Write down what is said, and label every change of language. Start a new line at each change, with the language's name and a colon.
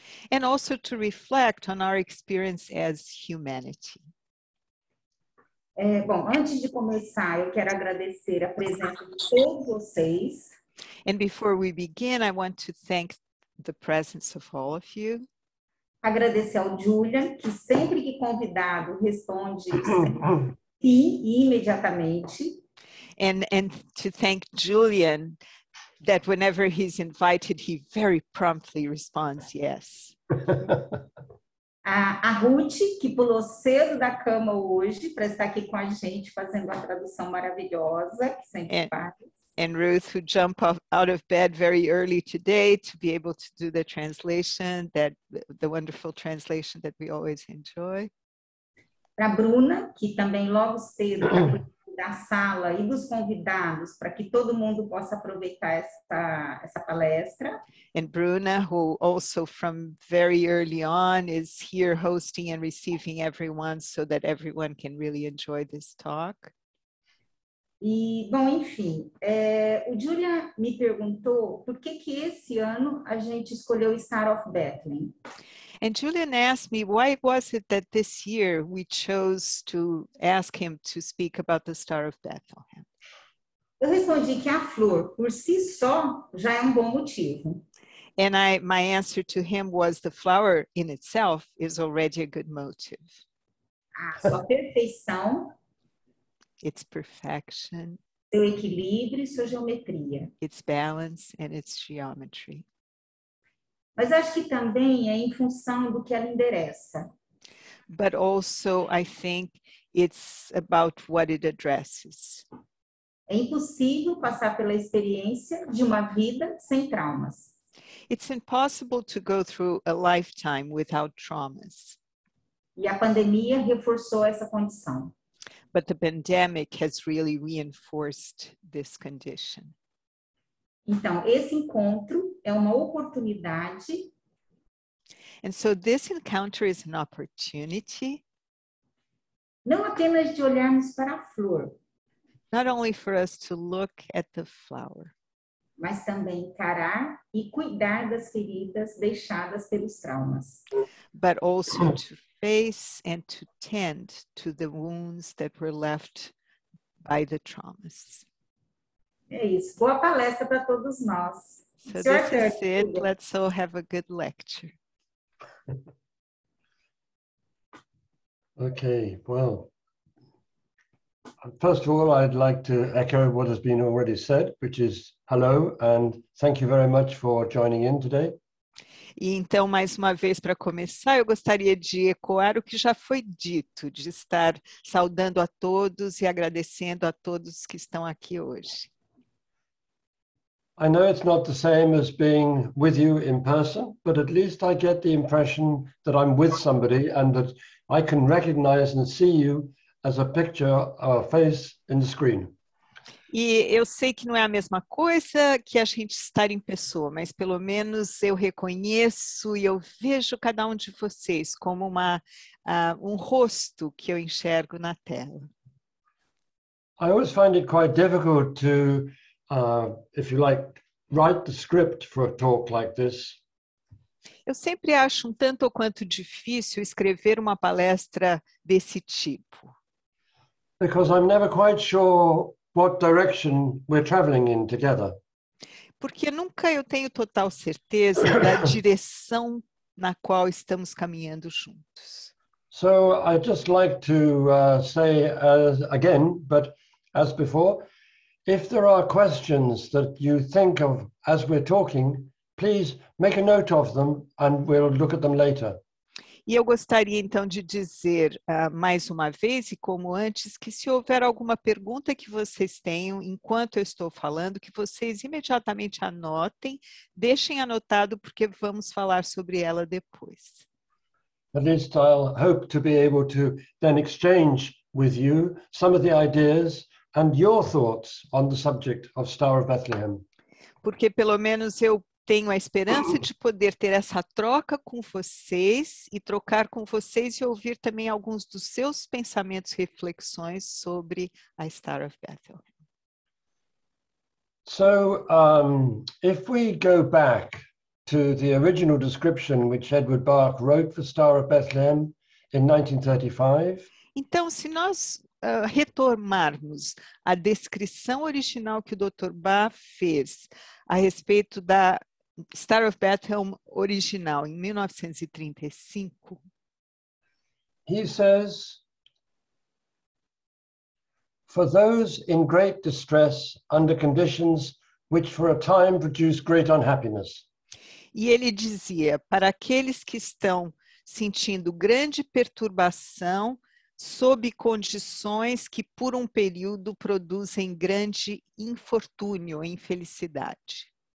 English: And also to reflect on our experience as humanity.
Portuguese: Bom, antes de começar, eu quero agradecer a presença de todos vocês.
English: And before we begin, I want to thank the presence of all of you.
Portuguese: Agradecer ao Julian, que sempre que convidado responde sim e imediatamente.
English: And to thank Julian, that whenever he's invited, he very promptly responds yes.
Portuguese: A Ruth, que pulou cedo da cama hoje para estar aqui com a gente fazendo a tradução maravilhosa, que sempre faz.
English: And Ruth, who jumped out of bed very early today to be able to do the translation, that the wonderful translation that we always enjoy.
Portuguese: Para a Bruna, que também logo cedo da sala e dos convidados, para que todo mundo possa aproveitar essa palestra.
English: And Bruna, who also from very early on is here hosting and receiving everyone so that everyone can really enjoy this talk.
Portuguese: E, bom, enfim, o Julian me perguntou por que esse ano a gente escolheu Star of Bethlehem.
English: And Julian asked me, why was it that this year we chose to ask him to speak about the Star of Bethlehem?
Portuguese: Eu respondi que a flor, por si só, já é um bom motivo.
English: And my answer to him was, the flower in itself is already a good motive.
Portuguese: Sua perfeição.
English: Its perfection.
Portuguese: Seu equilíbrio e sua geometria.
English: Its balance and its geometry.
Portuguese: Mas acho que também é em função do que ela endereça.
English: But also, I think, it's about what it addresses.
Portuguese: É impossível passar pela experiência de uma vida sem traumas.
English: It's impossible to go through a lifetime without traumas.
Portuguese: E a pandemia reforçou essa condição.
English: But the pandemic has really reinforced this condition.
Portuguese: Então, esse encontro é uma oportunidade.
English: And so this encounter is an opportunity.
Portuguese: Não apenas de olharmos para a flor.
English: Not only for us to look at the flower.
Portuguese: Mas também encarar e cuidar das feridas deixadas pelos traumas.
English: But also to face and to tend to the wounds that were left by the traumas.
Portuguese: É isso. Boa palestra para todos nós.
English: So this is it. Let's all have a good lecture. Okay, well, first of all, I'd like to echo what has been already said, which is hello and thank you very much for joining in today.
Portuguese: E então, mais uma vez, para começar, eu gostaria de ecoar o que já foi dito, de estar saudando a todos e agradecendo a todos que estão aqui hoje.
English: I know it's not the same as being with you in person, but at least I get the impression that I'm with somebody and that I can recognize and see you as a picture or a face in the screen.
Portuguese: E eu sei que não é a mesma coisa que a gente estar em pessoa, mas pelo menos eu reconheço e eu vejo cada um de vocês como um rosto que eu enxergo na tela.
English: I always find it quite difficult to if you like, write the script for a talk like this.
Portuguese: Eu sempre acho um tanto ou quanto difícil escrever uma palestra desse tipo.
English: Because I'm never quite sure what direction we're traveling in together.
Portuguese: Porque nunca eu tenho total certeza da direção na qual estamos caminhando juntos.
English: So I'd just like to say again, but as before, if there are questions that you think of as we're talking, please make a note of them and we'll look at them later.
Portuguese: E eu gostaria, então, de dizer mais uma vez, e como antes, que se houver alguma pergunta que vocês tenham, enquanto eu estou falando, que vocês imediatamente anotem, deixem anotado, porque vamos falar sobre ela depois.
English: At least I'll hope to be able to then exchange with you some of the ideas and your thoughts on the subject of Star of Bethlehem.
Portuguese: Porque pelo menos eu tenho a esperança de poder ter essa troca com vocês e trocar com vocês e ouvir também alguns dos seus pensamentos e reflexões sobre a Star of Bethlehem.
English: So, if we go back to the original description which Edward Bach wrote for Star of Bethlehem in 1935.
Portuguese: Então, se nós retomarmos a descrição original que o Dr. Bach fez a respeito da Star of Bethlehem original em 1935.
English: He says, for those in great distress under conditions which for a time produce great unhappiness.
Portuguese: E ele dizia, para aqueles que estão sentindo grande perturbação sob condições que por um período produzem grande infortúnio, infelicidade.